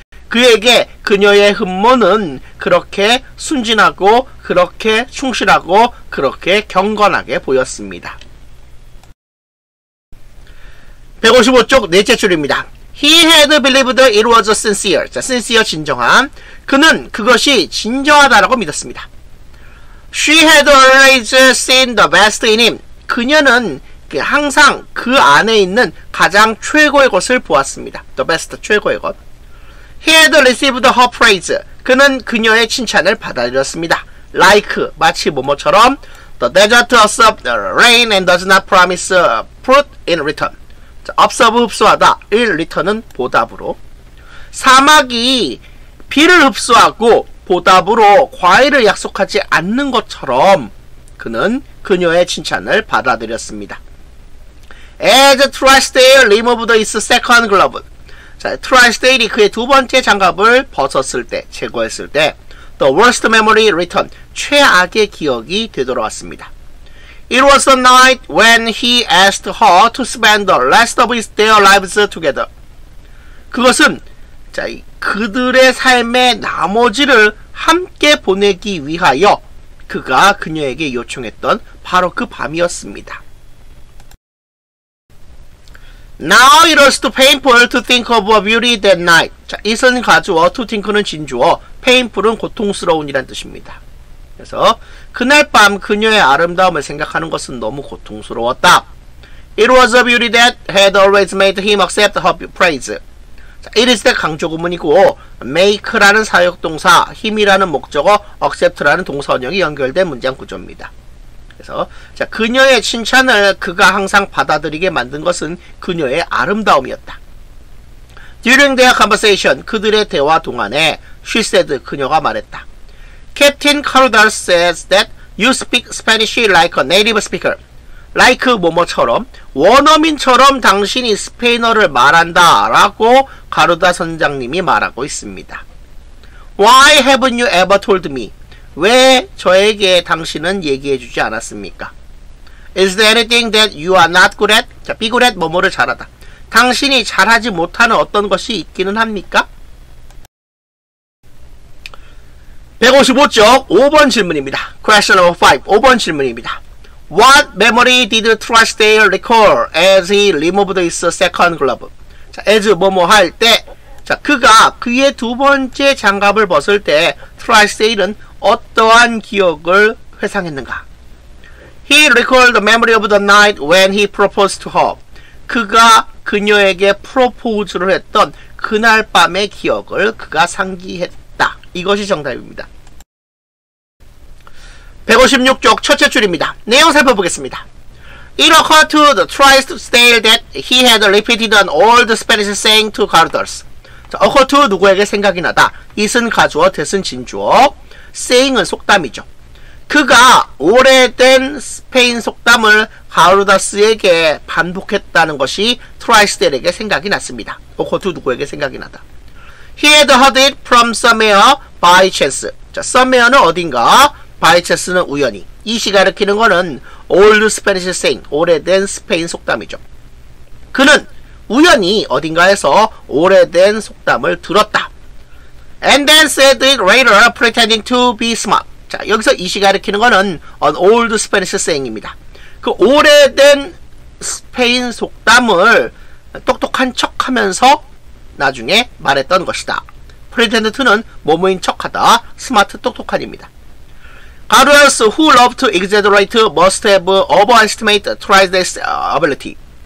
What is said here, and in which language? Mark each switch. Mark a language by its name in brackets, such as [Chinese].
[Korean] 그에게 그녀의 흠모는 그렇게 순진하고 그렇게 충실하고 그렇게 경건하게 보였습니다. 155쪽 넷째 줄입니다. [English] He had believed it was sincere. [Korean] 자, sincere, 진정한. 그는 그것이 진정하다라고 믿었습니다. [English] She had always seen the best in him. [Korean] 그녀는 항상 그 안에 있는 가장 최고의 것을 보았습니다. [English] The best, [Korean] 최고의 것. [English] He had received her praise. [Korean] 그는 그녀의 칭찬을 받아들였습니다. Like, 마치 뭐뭐처럼. [English] The desert accepts the rain and does not promise fruit in return. [Korean] Observe, 흡수하다. 1 return은 보답으로. 사막이 비를 흡수하고 보답으로 과일을 약속하지 않는 것처럼 그는 그녀의 칭찬을 받아들였습니다. [English] As Trisdale removed his second glove. [Korean] 자, Trisdale이 그의 두 번째 장갑을 벗었을 때, 제거했을 때, [English] The worst memory return, [Korean] 최악의 기억이 되돌아왔습니다. [English] It was the night when he asked her to spend the rest of their lives together. [Korean] 그것은 자, 그들의 삶의 나머지를 함께 보내기 위하여 그가 그녀에게 요청했던 바로 그 밤이었습니다. [English] Now it was too painful to think of a beauty that night. [Korean] 자, it은 가주어, to think는 진주어, painful은 고통스러운이란 뜻입니다. 그래서 그날 밤 그녀의 아름다움을 생각하는 것은 너무 고통스러웠다. [English] It was a beauty that had always made him accept her praise. [Korean] It is the 강조구문이고 make라는 사역동사, him이라는 목적어, accept라는 동사원형이 연결된 문장구조입니다. 그래서 자, 그녀의 칭찬을 그가 항상 받아들이게 만든 것은 그녀의 아름다움이었다. [English] During their conversation, [Korean] 그들의 대화 동안에 [English] she said, [Korean] 그녀가 말했다. [English] Captain Caldwell says that you speak Spanish like a native speaker. [Korean] Like 뭐뭐처럼, 원어민처럼 당신이 스페인어를 말한다 라고 가루다 선장님이 말하고 있습니다. [English] Why haven't you ever told me? [Korean] 왜 저에게 당신은 얘기해 주지 않았습니까? [English] Is there anything that you are not good at? [Korean] 자, be good at 뭐뭐를 잘하다. 당신이 잘하지 못하는 어떤 것이 있기는 합니까? 155쪽 5번 질문입니다. [English] Question number 5. [Korean] 5번 질문입니다. [English] What memory did Trisdale recall as he removed his second glove? [Korean] 자, as 뭐뭐 할 때, 자, 그가 그의 두 번째 장갑을 벗을 때 Trisdale은 어떠한 기억을 회상했는가? [English] He recalled the memory of the night when he proposed to her. [Korean] 그가 그녀에게 프로포즈를 했던 그날 밤의 기억을 그가 상기했다. 이것이 정답입니다. 156쪽 첫째 줄입니다. 내용 살펴보겠습니다. [English] It occurred to the Trisdale that he had repeated an old Spanish saying to Carlos. [Korean] 자, occur to 누구에게 생각이 나다. is은 가주어, that은 진주어. saying은 속담이죠. 그가 오래된 스페인 속담을 가르다스에게 반복했다는 것이 트라이스델에게 생각이 났습니다. [English] occur to [Korean] 누구에게 생각이 나다. [English] He had heard it from somewhere by chance. [Korean] 자, somewhere는 어딘가, by chance는 우연히. 이 시가 일으키는 거는 old Spanish saying, 오래된 스페인 속담이죠. 그는 우연히 어딘가에서 오래된 속담을 들었다. [English] And then said it later, pretending to be smart. [Korean] 자, 여기서 이 시가 일으키는 거는 an old Spanish saying입니다. 그 오래된 스페인 속담을 똑똑한 척 하면서 나중에 말했던 것이다. Pretend to는 뭐뭐인 척하다. 스마트 똑똑한입니다. [English] Carlos, who loved to exaggerate, must have overestimated Trisdale's ability.